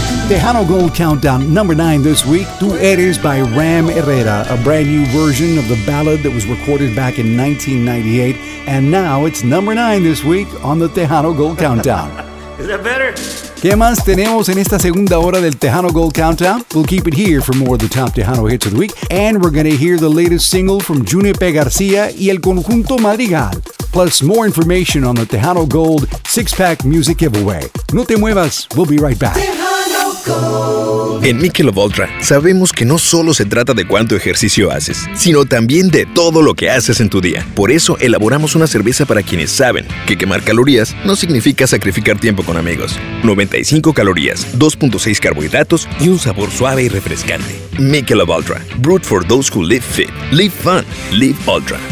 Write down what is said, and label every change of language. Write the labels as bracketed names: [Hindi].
[English] Tejano Gold Countdown, number 9 this week, Tu Eres by Ram Herrera, a brand new version of the ballad that was recorded back in 1998, and now it's number 9 this week on the Tejano Gold Countdown. Is that better? [Spanish] ¿Qué más tenemos en esta segunda hora del Tejano Gold Countdown? [English] We'll keep it here for more of the top Tejano hits of the week, and we're going to hear the latest single from Junipe Garcia y el Conjunto Madrigal. Plus, more information on the Tejano Gold 6-Pack Music Giveaway. [Spanish] No te muevas, [English] we'll be right back. Tejano. [Spanish] En Michelob Ultra sabemos que no solo se trata de cuánto ejercicio haces, sino también de todo lo que haces en tu día. Por eso elaboramos una cerveza para quienes saben que quemar calorías no significa sacrificar tiempo con amigos. 95 calorías, 2.6 carbohidratos y un sabor suave y refrescante. [English] Michelob Ultra, brewed for those who live fit, live fun, live ultra.